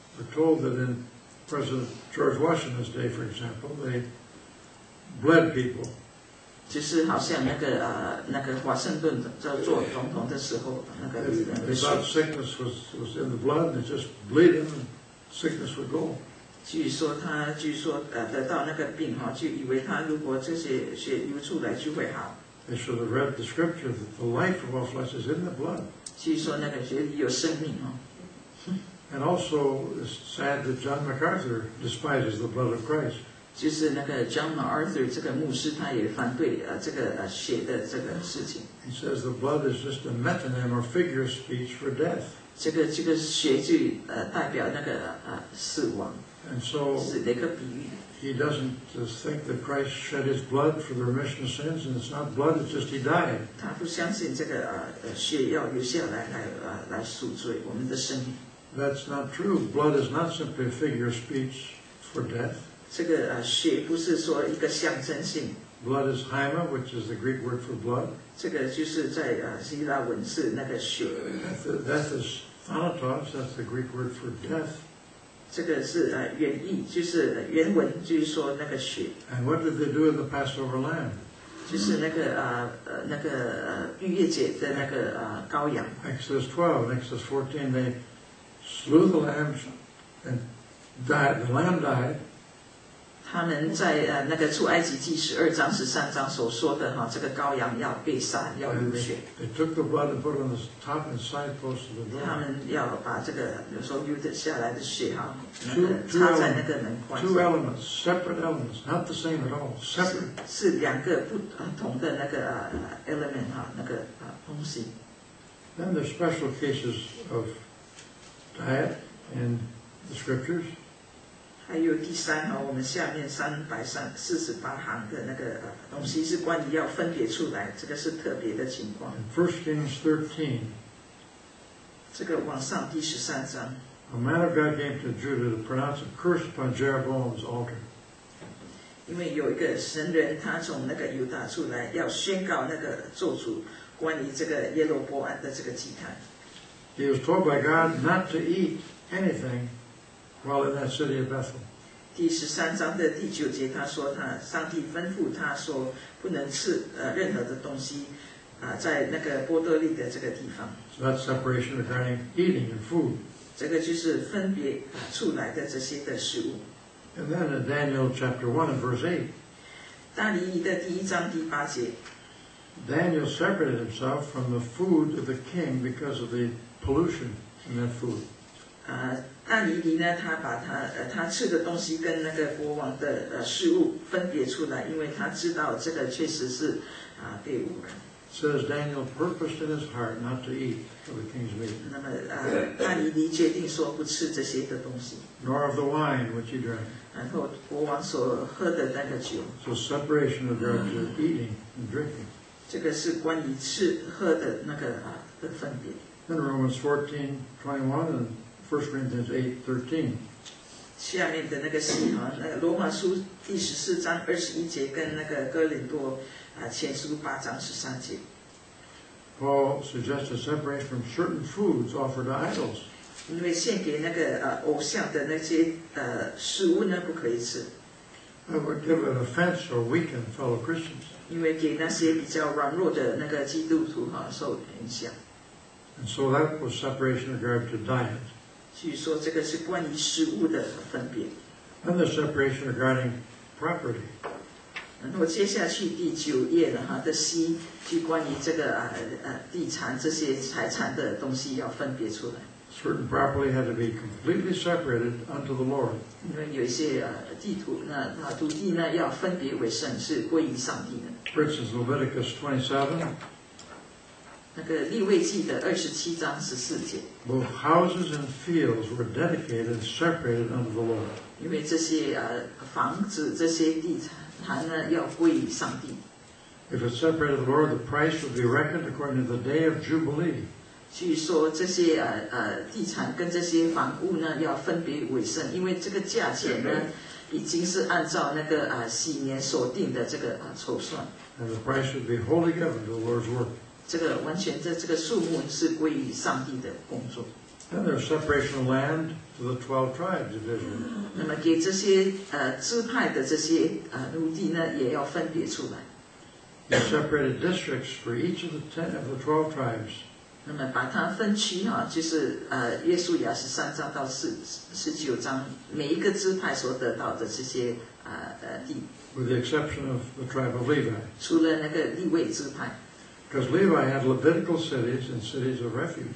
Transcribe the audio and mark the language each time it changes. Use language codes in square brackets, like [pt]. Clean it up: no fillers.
[en] ，We're told that in President George Washington's day, for example, they bled people. [zh] 就是好像那个华盛顿在做总统的时候，那个人的血。 [en] They thought sickness was in the blood, and they just bleed him, and sickness would go. [zh] 据说得到那个病哈，就以为他如果这些血流出来就会好。 [en] They should have read the scripture that the life of all flesh is in the blood. [zh] 据说那个血里有生命哈。 [en] And also, it's sad that John MacArthur despises the blood of Christ. [zh] 就是那个 John MacArthur 这个牧师，他也反对这个血的这个事情。 [en] He says the blood is just a metonym or figure of speech for death. [zh] 这个血就代表那个死亡。 [en] And so, [zh] is 那个比喻。 [en] he doesn't think that Christ shed his blood for the remission of sins, and it's not blood, it's just he died. [zh] 他不相信这个血要流下来来赎罪我们的生命。 [en] That's not true. Blood is not simply a figure of speech for death. [zh] 这个血不是说一个象征性。 [en] Blood is haima, which is the Greek word for blood. [zh] 这个就是在希腊文是那个血。 [en] Death is thanatos, that's the Greek word for death. [zh] 这个是原意，就是原文，就是说那个血。 [en] And what did they do in the Passover lamb? [zh] 就是那个那个逾越节的那个羔羊。 [en] Exodus 12, Exodus 14, they slew the lamb and died. The lamb died. [zh] 他们在那个出埃及记十二章十三章所说的哈，这个羔羊要被杀，要流血。 [en] They took the blood and put it on the top and side post of the door. [zh] 他们要把这个有时候流的下来的血哈，那个插在那个门框上。 [en] Two elements, separate elements, not the same at all. Separate. [zh] 是两个不同的那个element 哈，那个东西。 [en] Then there's special cases of diet in the scriptures. [zh] 还有第三我们下面三百三四十八行的那个东西是关于要分别出来，这个是特别的情况。 [en] First Kings 13, [zh] 这个往上第十三章。 [en] A man of God came to Judah to pronounce a curse upon Jeroboam's altar. [zh] 因为有一个神人，他从那个犹大出来，要宣告那个咒诅关于这个耶罗波安的这个祭坛。 [en] He was told by God not to eat anything. While in that city of Bethel. [zh] 第十三章的第九节，他说他上帝吩咐他说不能吃任何的东西，在那个波多利的这个地方。 [en] So that separation regarding eating and food. [zh] 这个就是分别出来的这些的食物。 [en] And then in Daniel chapter 1 and verse 8. [zh] 但以理的第一章第八节。 [en] Daniel separated himself from the food of the king because of the pollution in that food. [zh] 但以理呢，他把他吃的东西跟那个国王的食物分别出来，因为他知道这个确实是被污染。 [en] Says Daniel purposed in his heart not to eat of the king's meat. [zh] 那么但以理决定说不吃这些的东西。 [en] Nor of the wine which he drank. [zh] 然后国王所喝的那个酒。 [en] So separation of drugs is eating and drinking. [zh] 这个是关于吃喝的那个的分别。 [en] In Romans 14:21and First Corinthians 8:13. [zh] 下面的那个是罗马书第十四章二十一节跟那个哥林多前书八章十三节。 [en] Paul suggested separation from certain foods offered to idols. [zh] 因为献给那个偶像的那些食物呢不可以吃。 [en] That would give an offense or weaken fellow Christians. [zh] 因为给那些比较软弱的那个基督徒受影响。 [en] And so that was separation in regard to diet. [zh] 据说这个是关于食物的分别。 [en] And the separation regarding property. [zh] 然后接下去第九页的哈的 C 就关于这个地产这些财产的东西要分别出来。 [en] Certain property had to be completely separated unto the Lord. [zh] 因为有一些地图那土地呢要分别为圣，是归于上帝的。 [en] For instance, Leviticus 27. [zh] 那个立位记的二十七章十四节。 [en] Both houses and fields were dedicated and separated unto the Lord. [zh] 因为这些房子这些地产呢要归于上帝。 [en] If it's separated to the Lord, the price would be reckoned according to the day of Jubilee. [zh] 据说这些地产跟这些房屋呢要分别为圣，因为这个价钱呢已经是按照那个禧年所定的这个筹算。 [en] And the price would be wholly given to the Lord's work. [zh] 这个完全在这个数目是归于上帝的工作。 [en] And there's separation of land to the 12 tribes of Israel. [zh] 那么给这些支派的这些奴隶呢，也要分别出来。 [en] He separated districts for each of the 10 of the 12 tribes. [zh] 那么把它分区就是约书亚十三章到十九章，每一个支派所得到的这些地。 [en] With the exception of the tribe of Levi. [zh] 除了那个利未支派。 [en] Because Levi had Levitical cities and cities of refuge.